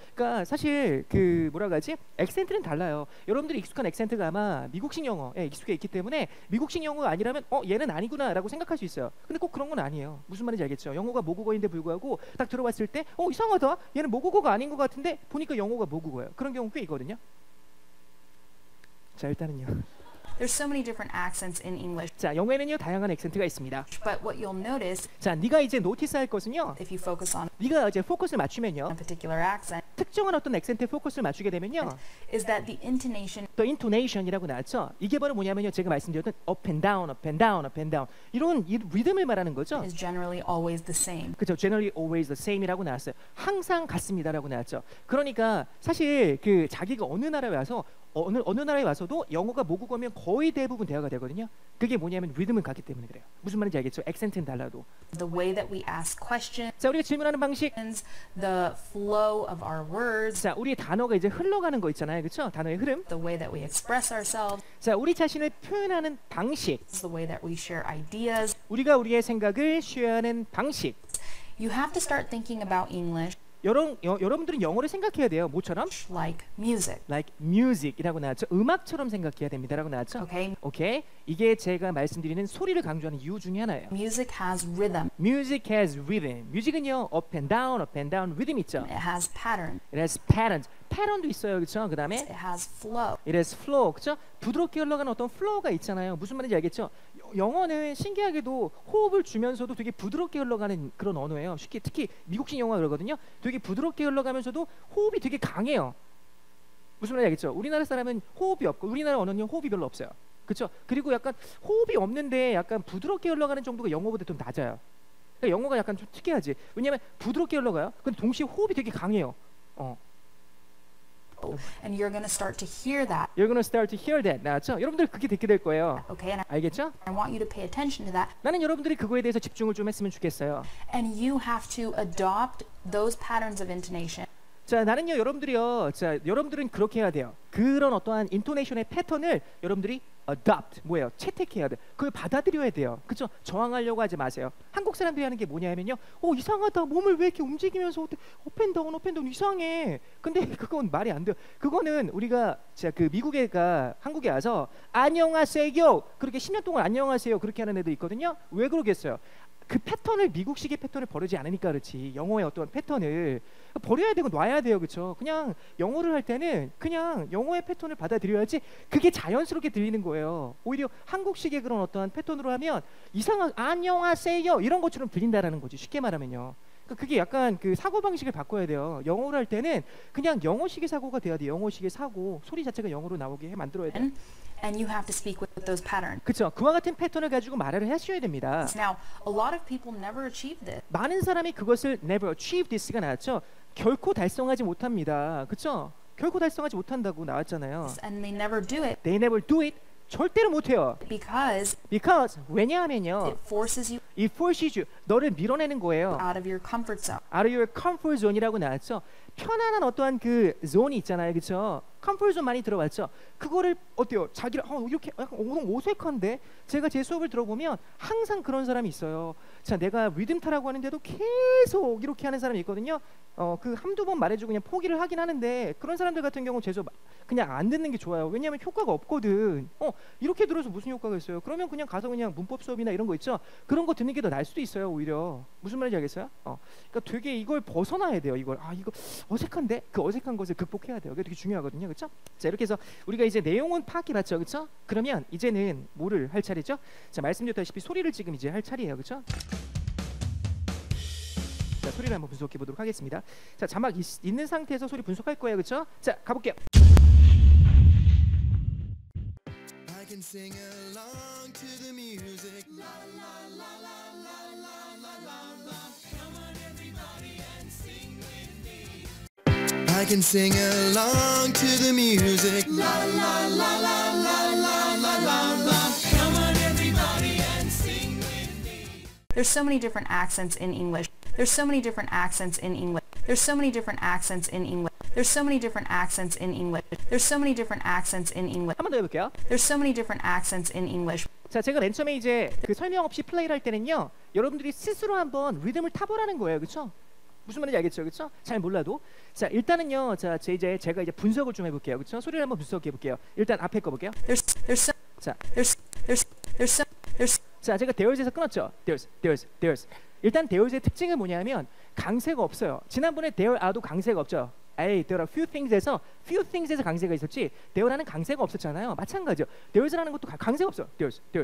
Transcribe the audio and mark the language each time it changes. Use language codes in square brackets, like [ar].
[ko] 그러니까 사실 그 뭐라고 하지? 액센트는 달라요. 여러분들이 익숙한 액센트가 아마 미국식 영어에 익숙해 있기 때문에 미국식 영어가 아니라면 얘는 아니구나라고 생각할 수 있어요. 근데 꼭 그런 건 아니에요. 무슨 말인지 알겠죠? 영어가 모국어인데 불구하고 딱 들어봤을 때 이상하다. 얘는 모국어가 아닌 것 같은데 보니까 영어가 모국어예요. 그런 경우 꽤 있거든요. 자, 일단은요. [en] There's so many different accents in English. [ko] 자, 영어에는요 다양한 액센트가 있습니다. [en] But what you'll notice, [ko] 자, 네가 이제 노티스할 것은요. [en] If you focus on, [ko] 네가 이제 포커스를 맞추면요. [en] A particular accent. [ko] 특정한 어떤 액센트에 포커스를 맞추게 되면요. [en] Is that the intonation? The intonation이라고 [ko] 나왔죠. 이게 바로 뭐냐면요. 제가 말씀드렸던 [en] up and down, up and down, up and down. [ko] 이런 이 리듬을 말하는 거죠. [en] Is generally always the same. [ko] 그렇죠. [en] Generally always the same이라고 [ko] 나왔어요. 항상 같습니다라고 나왔죠. 그러니까 사실 그 자기가 어느 나라에 와서 어느 나라에 와서도 영어가 모국어면 거의 대부분 대화가 되거든요. 그게 뭐냐면 리듬을 갖기 때문에 그래요. 무슨 말인지 알겠죠? 액센트는 달라도. [en] The way that we ask questions. [ko] 자, 우리가 질문하는 방식. [en] The flow of our words. [ko] 자, 우리 단어가 이제 흘러가는 거 있잖아요. 그렇죠? 단어의 흐름. [en] The way that we express ourselves. [ko] 자, 우리 자신을 표현하는 방식. [en] The way that we share ideas. [ko] 우리가 우리의 생각을 쉐어하는 방식. [en] You have to start thinking about English. [ko] 여러분들은 영어를 생각해야 돼요. 뭐처럼? [en] Like music. Like music [ko] 이라고 나왔죠. 음악처럼 생각해야 됩니다라고 나왔죠. [en] Okay. Okay. [ko] 이게 제가 말씀드리는 소리를 강조하는 이유 중에 하나예요. [en] Music has rhythm. Music has rhythm. [ko] Music은요, [en] up and down, [ko] rhythm 있죠. [en] It has pattern. It has patterns. [ko] 패턴도 있어요, 그렇죠? 그 다음에 [en] It has flow. It has flow, [ko] 그렇죠? 부드럽게 흘러가는 어떤 flow가 있잖아요. 무슨 말인지 알겠죠? 영어는 신기하게도 호흡을 주면서도 되게 부드럽게 흘러가는 그런 언어예요. 쉽게 특히 미국식 영어가 그러거든요. 되게 부드럽게 흘러가면서도 호흡이 되게 강해요. 무슨 말인지 알겠죠? 우리나라 사람은 호흡이 없고 우리나라 언어는 호흡이 별로 없어요. 그렇죠? 그리고 약간 호흡이 없는데 약간 부드럽게 흘러가는 정도가 영어보다 좀 낮아요. 그러니까 영어가 약간 좀 특이하지. 왜냐하면 부드럽게 흘러가요. 근데 동시에 호흡이 되게 강해요. [en] And you're going to start to hear that. You're going to start to hear that. [ko] 나왔죠? 여러분들 그게 듣게 될 거예요. [en] Okay, and I, [ko] 알겠죠? [en] I want you to pay attention to that. [ko] 나는 여러분들이 그거에 대해서 집중을 좀 했으면 좋겠어요. [en] And you have to adopt those patterns of intonation. [ko] 자, 나는요, 여러분들이요. 자, 여러분들은 그렇게 해야 돼요. 그런 어떠한 인토네이션의 패턴을 여러분들이 adopt 뭐예요? 채택해야 돼. 그걸 받아들여야 돼요. 그렇죠? 저항하려고 하지 마세요. 한국 사람들이 하는 게 뭐냐면요. 이상하다. 몸을 왜 이렇게 움직이면서 오펜다운 이상해. 근데 그건 말이 안 돼요. 그거는 우리가 제가 그 미국에가 한국에 와서 안녕하세요. 그렇게 10년 동안 안녕하세요. 그렇게 하는 애들 있거든요. 왜 그러겠어요? 그 패턴을 미국식의 패턴을 버리지 않으니까 그렇지. 영어의 어떤 패턴을 버려야 되고 놔야 돼요. 그렇죠? 그냥 영어를 할 때는 그냥 영어의 패턴을 받아들여야지 그게 자연스럽게 들리는 거예요. 오히려 한국식의 그런 어떤 패턴으로 하면 이상한 안녕하세요 이런 것처럼 들린다라는 거지. 쉽게 말하면요. 그게 약간 그 사고방식을 바꿔야 돼요. 영어를 할 때는 그냥 영어식의 사고가 돼야 돼. 영어식의 사고 소리 자체가 영어로 나오게 해 만들어야 돼. [en] And you have to speak with those patterns. [ko] 그렇죠. 그와 같은 패턴을 가지고 말을 하셔야 됩니다. [en] Now, a lot of people never achieve this. [ko] 많은 사람이 그것을 [en] never achieve this [ko] 가 나왔죠. 결코 달성하지 못합니다. 그렇죠? 결코 달성하지 못한다고 나왔잖아요. [en] And they never do it. They never do it. [ko] 절대로 못해요. [en] Because [ko] 왜냐하면요. [en] It forces you. [ko] 너를 밀어내는 거예요. [en] Out of your comfort zone. Out of your comfort zone이라고 [ko] 나왔죠. 편안한 어떠한 그 존이 있잖아요. 그렇죠? 컴포트 존 많이 들어봤죠. 그거를 어때요? 자기를 이렇게 약간 어색한데 제가 제 수업을 들어보면 항상 그런 사람이 있어요. 자, 내가 리듬 타라고 하는데도 계속 이렇게 하는 사람이 있거든요. 그 한두 번 말해주고 그냥 포기를 하긴 하는데 그런 사람들 같은 경우 제 수업 그냥 안 듣는 게 좋아요. 왜냐하면 효과가 없거든. 이렇게 들어서 무슨 효과가 있어요? 그러면 그냥 가서 그냥 문법 수업이나 이런 거 있죠. 그런 거 듣는 게 더 나을 수도 있어요. 오히려 무슨 말인지 알겠어요? 그러니까 되게 이걸 벗어나야 돼요. 이걸 이거 어색한데 그 어색한 것을 극복해야 돼요. 그게 되게 중요하거든요. 그렇죠? 자, 이렇게 해서 우리가 이제 내용은 파악해 봤죠. 그렇죠? 그러면 이제는 뭐를 할 차례죠? 자, 말씀드렸다시피 소리를 지금 이제 할 차례예요. 그렇죠? 자, 소리를 한번 분석해 보도록 하겠습니다. 자, 자막 있는 상태에서 소리 분석할 거예요. 그렇죠? 자, 가 볼게요. [en] I can sing along to the music. La, la, la, la, la, la, la, la. I can sing along to the music. La la la la la la la la la. Come on everybody and sing with me. There's so many different accents in English. There's so many different accents in English. There's so many different accents in English. There's so many different accents in English. There's so many different accents in English. [ko] 한번 더 해볼게요. [en] There's so many different accents in English. [ko] 자, 제가 맨 처음에 이제 그 설명 없이 플레이를 할 때는요, 여러분들이 스스로 한번 리듬을 타보라는 거예요, 그렇죠? 무슨 말인지 알겠죠? 그렇죠? 잘 몰라도. 자, 일단은요. 자, 제가 이제 분석을 좀 해 볼게요. 그렇죠? 소리를 한번 분석해 볼게요. 일단 앞에 거 볼게요. [en] There's some, [ko] 자. [en] There's some. [ko] 자, 제가 there's에서 끊었죠? [en] There's. [ko] 일단 there's의 특징은 뭐냐면 강세가 없어요. 지난번에 there are도 강세가 없죠? [en] There are few things에서 [ko] 강세가 있었지. There라는 강세가 없었잖아요. 마찬가지죠. There's라는 것도 강세가 없어. There's.